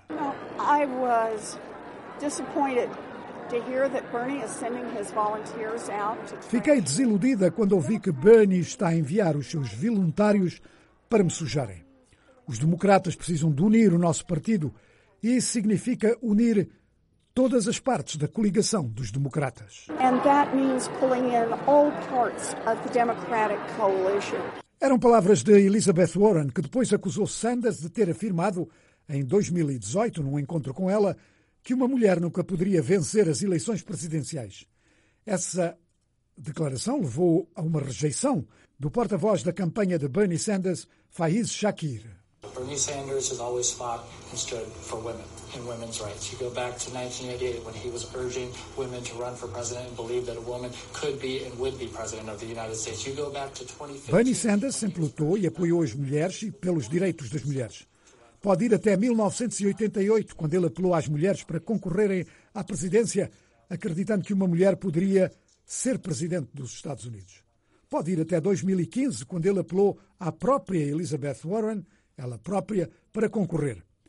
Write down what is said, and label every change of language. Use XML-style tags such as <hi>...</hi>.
<en>I was disappointed to hear that Bernie is sending his volunteers out to train.</en> <pt>Fiquei desiludida quando ouvi que Bernie está a enviar os seus voluntários para me sujarem. Os democratas precisam de unir o nosso partido e isso significa unir todas as partes da coligação dos democratas.</pt> <en>And that means pulling in all parts of the Democratic coalition.</en> <pt>Eram palavras de Elizabeth Warren, que depois acusou Sanders de ter afirmado em 2018, num encontro com ela, que uma mulher nunca poderia vencer as eleições presidenciais. Essa declaração levou a uma rejeição do porta-voz da campanha de Bernie Sanders, Faiz Shakir.</pt> <en>Bernie Sanders has always fought and stood for women and women's rights. You go back to 1988 when he was urging women to run for president and believed that a woman could be and would be president of the United States. You go back to 2015.</en> <pt>Bernie Sanders sempre lutou e apoiou as mulheres e pelos direitos das mulheres. Pode ir até 1988, quando ele apelou às mulheres para concorrerem à presidência, acreditando que uma mulher poderia ser presidente dos Estados Unidos. Pode ir até 2015, quando ele apelou à própria Elizabeth Warren, ela própria, para concorrer.</pt>